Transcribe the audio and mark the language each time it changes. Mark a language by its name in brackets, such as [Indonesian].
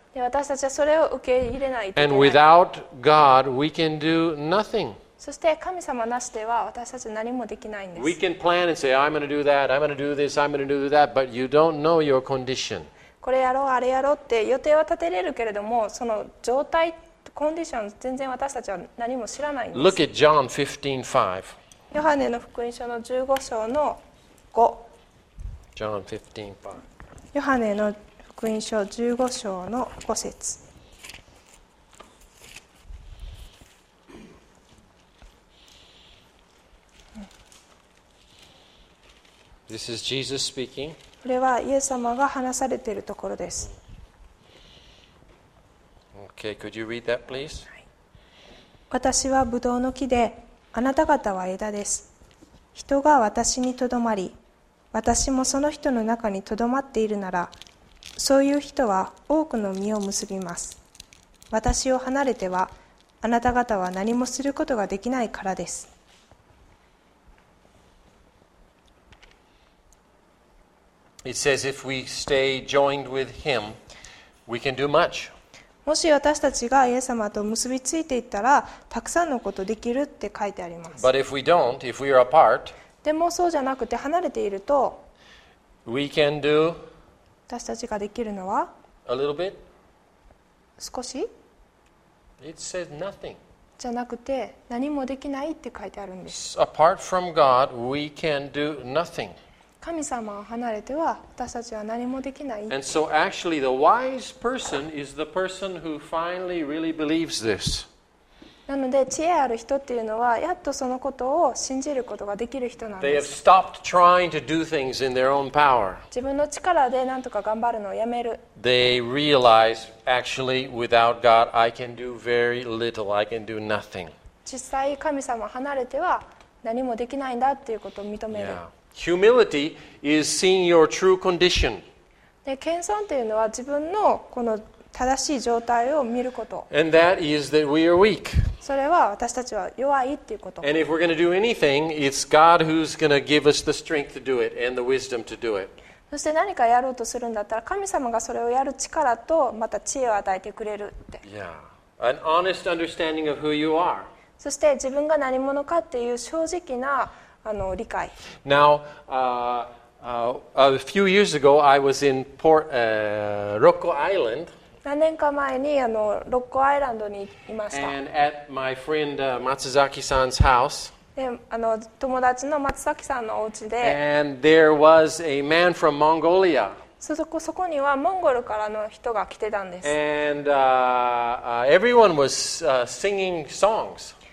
[Japanese] 私たちはそれを受け入れないといけない。 [English] And without God, we can do nothing. [Japanese] そして神様なしでは私たち何もできないんです。 [English] We can plan and say, I'm going to do that, I'm going to do this, I'm going to do that, but you don't know your condition. [Japanese] これやろう、あれやろうって予定は立てれるけれども、その状態、コンディション、全然私たちは何も知らないんです。 [English] Look at John 15:5. [Japanese] ヨハネの福音書の15章の5。 [English] John 15:5. [Japanese] ヨハネの福音書15章の5節。 [English] This is Jesus speaking. [Japanese] これはイエス様が話されているところです。 [English] Okay, could you read that, please? [Japanese] 私はブドウの木で、あなた方は枝です。人が私にとどまり、私もその人の中にとどまっているなら、そういう人は多くの実を結びます。私を離れては、あなた方は何もすることができないからです。 [English] It says if we stay joined with him, we can do much. [Japanese] もし私たちがイエス様と結びついていったら、たくさんのことできるって書いてあります。 [English] But if we don't, if we are apart, [Japanese] でもそうじゃなくて離れていると、 [English] we can do [Japanese] 私たちができるのは [English] A little bit? [Japanese] 少し [English] It says nothing. [Japanese] じゃなくて何もできないって書いてあるんです。 [English] Apart from God, we can do nothing. [Japanese] 神様を離れては私たちは何もできない。 [English] And so actually the wise person is the person who finally really believes this. [Japanese] なので知恵ある人っていうのはやっとそのことを信じることができる人なんです。 [English] They have stopped trying to do things in their own power. [Japanese] 自分の力で何とか頑張るのをやめる。 [English] They realize actually without God I can do very little. I can do nothing. [Japanese] 実際神様離れては何もできないんだっていうことを認める。 [English] Yeah. Humility is seeing your true condition. [Japanese] で、謙遜っていうのは自分のこの正しい状態を見ること。 [English] And that is that we are weak. [Japanese] それは私たちは弱いっていうこと。 [English] And if we're going to do anything, it's God who's going to give us the strength to do it and the wisdom to do it. [Japanese] そして何かやろうとするんだったら、神様がそれをやる力とまた知恵を与えてくれるって。 [English] Yeah. An honest understanding of who you are. [Japanese] そして自分が何者かっていう正直な理解。 [English] Now, a few years ago, I was in Port, Rocco Island. [Japanese] 何年か前にロッコアイランドにいました。 [English] And at my friend, Matsuzaki-san's house. [Japanese] で、友達の松崎さんのお家で。 [English] And there was a man from Mongolia. [Japanese] そこにはモンゴルからの人が来てたんです。 [English] And everyone was singing songs.